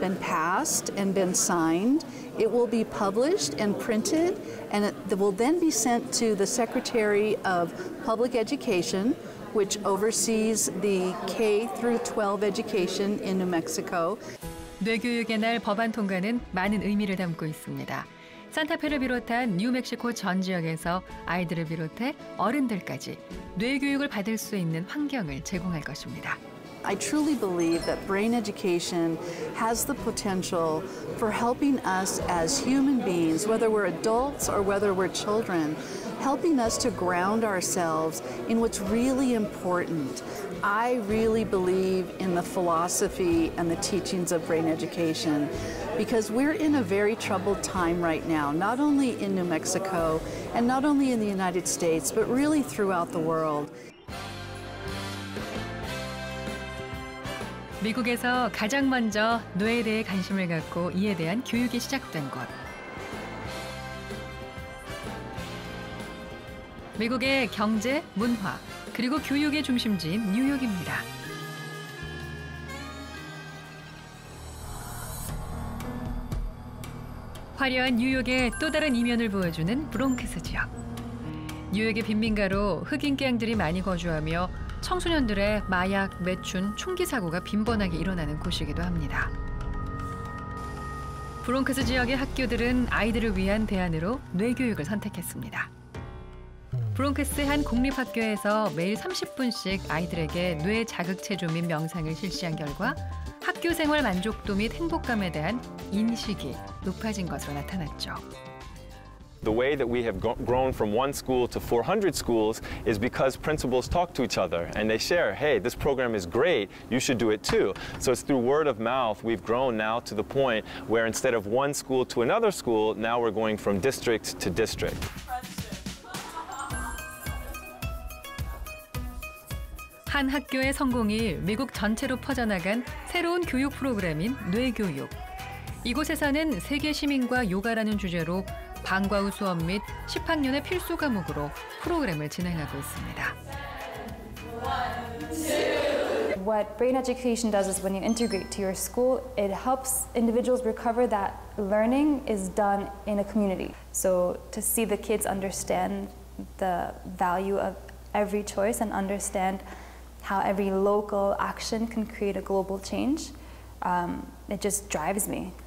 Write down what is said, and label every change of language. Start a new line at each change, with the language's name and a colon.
English: 2017 It will be published and printed, and it will then be sent to the Secretary of Public Education, which oversees the K through 12 education in New Mexico.
Korean: 뇌교육의 날 법안 통과는 많은 의미를 담고 있습니다. 산타페를 비롯한 뉴멕시코 전 지역에서 아이들을 비롯해 어른들까지 뇌교육을 받을 수 있는 환경을 제공할 것입니다.
English: I truly believe that brain education has the potential for helping us as human beings, whether we're adults or whether we're children, helping us to ground ourselves in what's really important. I really believe in the philosophy and the teachings of brain education because we're in a very troubled time right now, not only in New Mexico and not only in the United States, but really throughout the world.
Korean: 미국에서 가장 먼저 뇌에 대해 관심을 갖고 이에 대한 교육이 시작된 곳. 미국의 경제, 문화, 그리고 교육의 중심지인 뉴욕입니다. 화려한 뉴욕의 또 다른 이면을 보여주는 브롱크스 지역. 뉴욕의 빈민가로 흑인 갱들이 많이 거주하며 청소년들의 마약, 매춘, 총기 사고가 빈번하게 일어나는 곳이기도 합니다. 브롱크스 지역의 학교들은 아이들을 위한 대안으로 뇌교육을 선택했습니다. 브롱크스 한 공립학교에서 매일 30분씩 아이들에게 뇌 자극체조 및 명상을 실시한 결과 학교 생활 만족도 및 행복감에 대한 인식이 높아진 것으로 나타났죠.
English: The way that we have grown from one school to 400 schools is because principals talk to each other and they share, hey, this program is great, you should do it too. So it's through word of mouth we've grown now to the point where instead of one school to another school, now we're going from district to district.
Korean: 한 학교의 성공이 미국 전체로 퍼져나간 새로운 교육 프로그램인 뇌교육. 이곳에서는 세계 시민과 요가라는 주제로 방과 후 수업 및 10학년의 필수 과목으로 프로그램을 진행하고 있습니다.
English: What brain education does is when you integrate to your school, it helps individuals recover that learning is done in a community. So to see the kids understand the value of every choice and understand how every local action can create a global change, it just drives me.